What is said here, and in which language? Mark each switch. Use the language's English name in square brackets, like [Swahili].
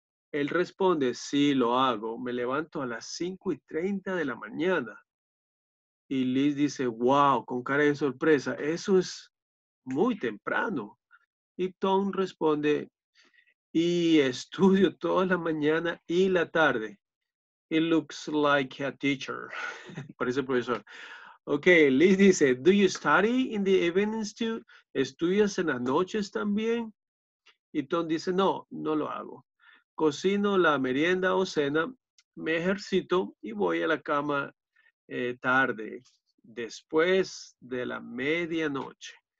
[Spanish] Él responde, sí, lo hago. Me levanto a las 5:30 de la mañana. Y Liz dice, wow, con cara de sorpresa, eso es muy temprano. Y Tom responde, y estudio toda la mañana y la tarde. [English] It looks like a teacher. [Spanish] Parece profesor. Ok, Liz dice, [English] do you study in the evenings too? [Spanish] ¿Estudias en las noches también? Y Tom dice, no, no lo hago. Cocino la merienda o cena, me ejercito y voy a la cama tarde, después de la medianoche.